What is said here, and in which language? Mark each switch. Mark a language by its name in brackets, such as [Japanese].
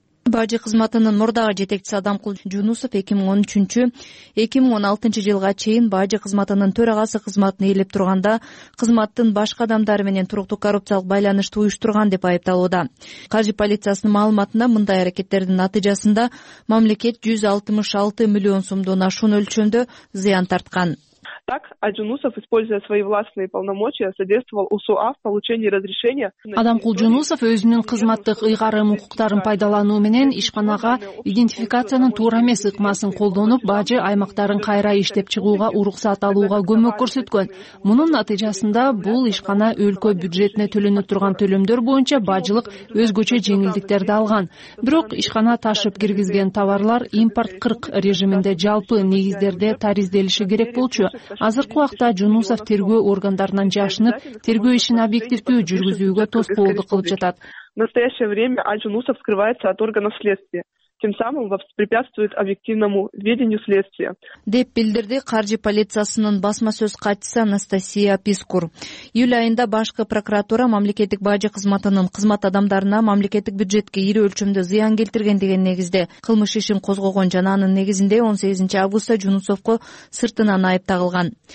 [Kyrgyz] Бажы кызматынын мурдагы жетекчиси Адамкул Жунусов 2013-2016 жылга чейин бажы кызматынын төрагасы кызматын ээлеп турганда кызматтын башка адамдары менен туруктуу коррупциялык байланышты уюштурган деп айыпталууда. Каржы полициясынын маалыматында мындай аракеттердин натыйжасында мамлекет 166 миллион сомдон ашуун өлчөмдө зыян тарткан. [Russian] Так, Аджунусов, используя свои властные полномочия, содействовал УСУА в получении разрешения. [Kyrgyz] Адамкул Жунусов өзүнүн кызматтык ыйгарым укуктарын пайдалануу менен ишканага идентификациянын туура эмес ыкмасын колдонуп, бажы аймактарын кайра иштеп чыгууга уруксат алууга көмөк көрсөткөн. Мунун натыйжасында бул ишкана өлкө бюджетине төлөнө турган төлөмдөр боюнча бажылык өзгөчө жеңилдиктерди алган. Бирок ишкана ташып киргизген товарлар импорт 40 режиминде жалпы негиздерде тариздеш керек болчу. Азыркы убакта Жунусов тергөө органдарынан жашынып, тергөө ишин объективдүү жүргүзүүгө тоскоолдук кылып жатат. [Russian] В настоящее время Аль Жунусов скрывается от органов следствия. тем самым воспрепятствует объективному ведению следствия. [Kyrgyz] Деп билдирди каржы полициясынын басма сөз катчысы Анастасия Пискур. Июль айында башкы прокуратура мамлекеттик бажы кызматынын кызмат адамдарына мамлекеттик бюджетке ири өлчөмдө зыян келтирген деген негизде кылмыш ишин козгогон жана анын негизинде 18 августта Жунусовко сыртынан айып тагылган.